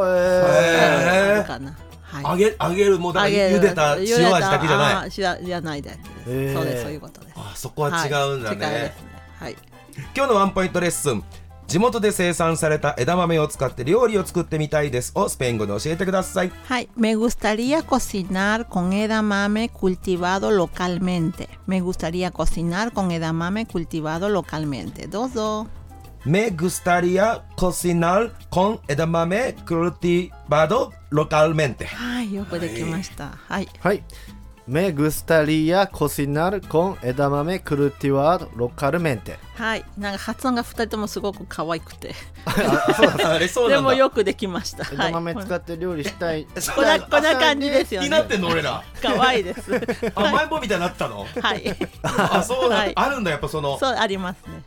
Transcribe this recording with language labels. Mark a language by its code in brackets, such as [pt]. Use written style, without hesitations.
[ja] あるかな。はい、揚げるもだ、茹でた塩味だけじゃない。じゃないだけです。そうです、そういうことです。あ、そこは違うんだね。はい、違うですね。はい。今日のワンポイントレッスン、地元で生産された枝豆を使って料理を作ってみたいですをスペイン語で教えてください。はい。 [es] Me gustaría cocinar con edamame cultivado localmente. Me gustaría cocinar con edamame cultivado localmente. [ja] どうぞ。 [es] Me gustaría cocinar con edamame cultivado localmente. [ja] はい、よくできました。はい、はい。 [es] Me gustaría cocinar con edamame cultivado localmente. [ja] はい、なんか発音が2人ともすごく可愛くて。そうでもよくできました。枝豆使って料理したい。こんな感じですよね。になってんの俺ら。可愛いです。甘えん坊みたいになったの？はい。あ、そうなんだ、はい。あるんだ、やっぱその。そう、ありますね。